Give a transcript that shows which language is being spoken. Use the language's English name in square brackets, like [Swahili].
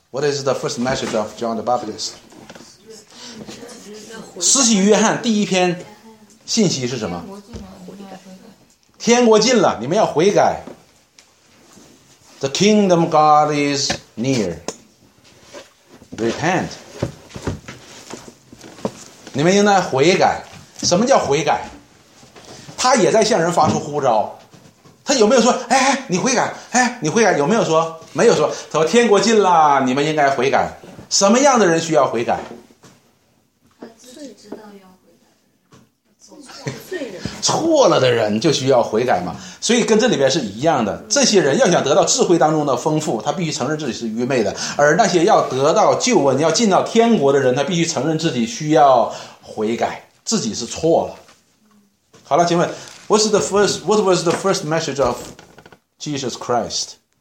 [English] What is the first message of John the Baptist？ [Chinese] 施洗约翰第一篇信息是什么？天国近了，你们要悔改。 The kingdom of God is near. Repent. 你们应该悔改。什么叫悔改？他也在向人发出呼召。他有没有说，哎，你悔改，哎，你悔改，有没有说？没有说。他说，天国近了，你们应该悔改。什么样的人需要悔改？错了的人就需要悔改嘛，所以跟这里边是一样的。这些人要想得到智慧当中的丰富，他必须承认自己是愚昧的；而那些要得到救恩、要进到天国的人，他必须承认自己需要悔改，自己是错了。 [English] 好了，请问 What was the first message of Jesus Christ？